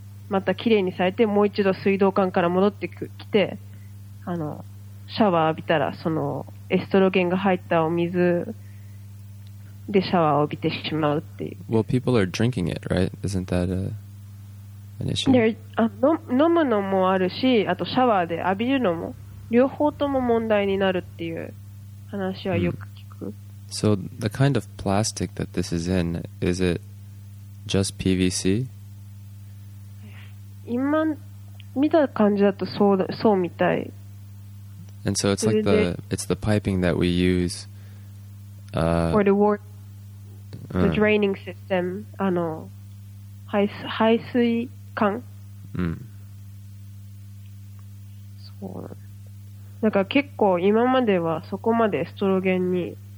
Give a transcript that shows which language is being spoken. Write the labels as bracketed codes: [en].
[ja] またきれいにされて、もう一度水道管から戻ってきて、シャワー浴びたらそのエストロゲンが入ったお水でシャワーを浴びてしまうっていう。 [en] Well, people are drinking it, right? Isn't that an issue? [ja] 飲むのもあるし、あとシャワーで浴びるのも、両方とも問題になるっていう話はよく聞く。 [en] So, the kind of plastic that this is in, is it just PVC? [ja] 今見た感じだとそうみたい。 [en] And so it's like it's the piping that we use. For the water. The draining system、 [ja] 排水管、そうなんか結構今まではそこまでエストロゲンに